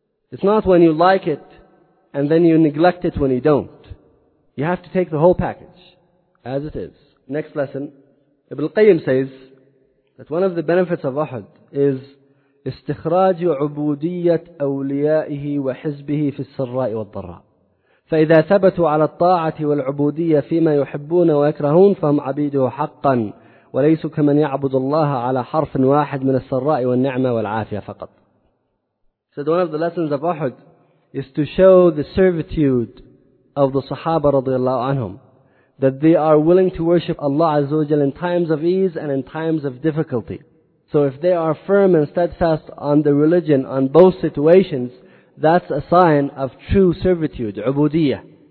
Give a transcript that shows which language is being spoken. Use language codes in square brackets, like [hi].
[en] It's not when you like it and then you neglect it when you don't. You have to take the whole package as it is. Next lesson. Ibn al-Qayyim says that one of the benefits of Uhud is [ar] استخراج عبودية أوليائه وحزبه في السراء والضراء. فإذا ثبتوا على الطاعة والعبودية فيما يحبون ويكرهون فهم عبيده حقا وليسوا كمن يعبد الله على حرف واحد من السراء والنعمة والعافية فقط. [en] So one of the lessons of Uhud is to show the servitude of the Sahaba رضي الله عنهم, that they are willing to worship Allah عز وجل in times of ease and in times of difficulty. So if they are firm and steadfast on the religion, on both situations, that's a sign of true servitude, ubudiyyah.